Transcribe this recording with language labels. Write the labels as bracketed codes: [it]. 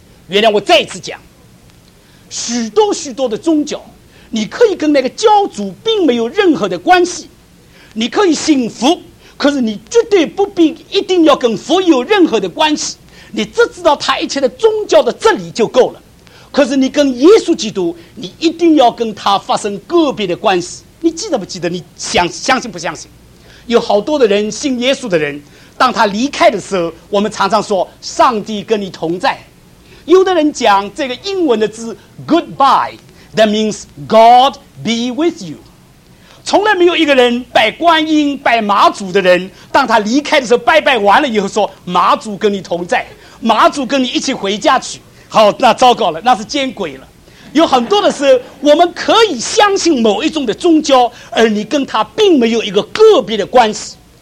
[zh] 原谅我再一次讲，许多许多的宗教，你可以跟那个教主并没有任何的关系，你可以信佛，可是你绝对不必一定要跟佛有任何的关系，你只知道他一切的宗教的真理就够了。可是你跟耶稣基督，你一定要跟他发生个别的关系。你记得不记得，你相信不相信，有好多的人信耶稣的人，当他离开的时候，我们常常说上帝跟你同在。有的人讲这个英文的字 [en] goodbye， that means God be with you。 [zh] 从来没有一个人拜观音拜马祖的人，当他离开的时候拜拜完了以后说马祖跟你同在，马祖跟你一起回家去，好，那糟糕了，那是见鬼了。有很多的时候我们可以相信某一种的宗教，而你跟他并没有一个个别的关系。